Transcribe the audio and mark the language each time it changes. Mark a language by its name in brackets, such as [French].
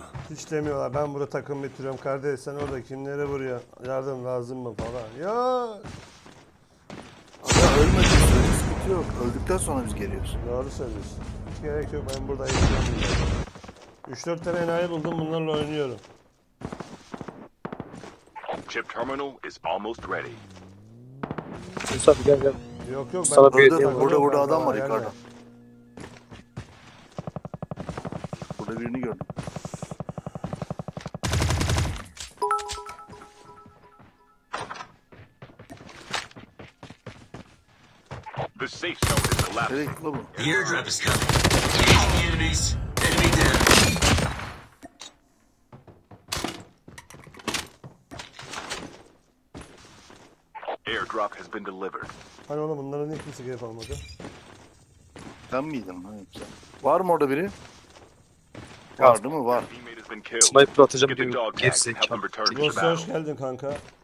[Turkish] Hiç demiyorlar, ben burada takım bitiriyorum. Kardeş sen orada kimlere vuruyor? Yardım lazım mı falan? Ya. Ya ölmedin, ölmesi bitiyor. Öldükten sonra biz geliyoruz. Doğru söylüyorsun. Hiç gerek yok, ben burada yaşayamıyorum. 3-4 tane enayi buldum, bunlarla oynuyorum. [English] Chip terminal is almost ready. [Turkish] Yusuf gel gel. Yok yok, ben burada, burada adam var Ricardo. Yani. Birini gördüm. [English] The safe zone is collapsing. [Turkish] Evet, bu mu? [English] The airdrop is coming. Engaging the enemies. Enemy down. Airdrop has been delivered. [Turkish] Hani oğlum, bunların niye kimse gelip almadı? Ben miydim lan hepsi? Var mı orada biri? Var değil mi? Var. Sniper atacağım diyor. Gerisi. Dostlar hoş geldin kanka.